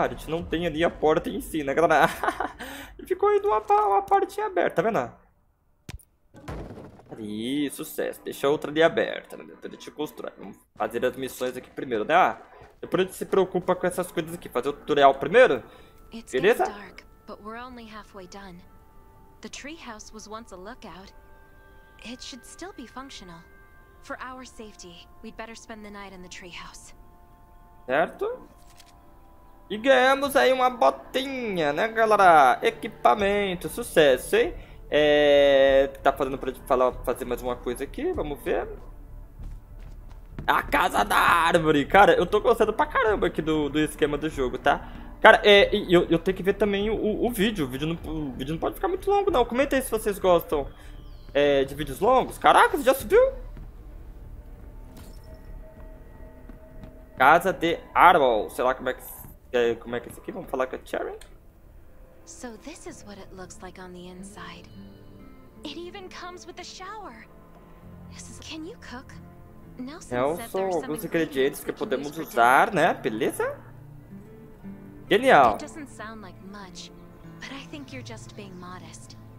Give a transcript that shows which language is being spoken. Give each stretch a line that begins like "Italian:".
Portuguese: A gente não tem ali a porta em si, né, galera? Ficou aí uma portinha aberta, tá vendo? Ali, sucesso. Deixa a outra ali aberta, né? A gente constrói. Vamos fazer as missões aqui primeiro, né? Depois a gente se preocupa com essas coisas aqui. Fazer o tutorial primeiro...
English: it's getting dark, but we're only halfway done. The treehouse was once a lookout. It should still be functional. For our safety, we'd better spend the night in the treehouse.
Portuguese: Certo? E ganhamos aí uma botinha, né, galera? Equipamento, sucesso, hein? É... tá falando pra falar, fazer mais uma coisa aqui, vamos ver. A casa da árvore! Cara, eu tô gostando pra caramba aqui do esquema do jogo, tá? Cara, eu tenho que ver também o vídeo. O vídeo não pode ficar muito longo, não. Comenta aí se vocês gostam de vídeos longos. Caraca, você já subiu? Casa de árvore. Sei lá como é que é isso aqui. Vamos falar com a Cherry.
English: So this is what it looks like on the inside. It even comes with a shower. Can you cook?
Portuguese: Nelson, alguns ingredientes que podemos usar, né? Beleza? Genial.
English: It doesn't sound like much, but I think you're just being modest.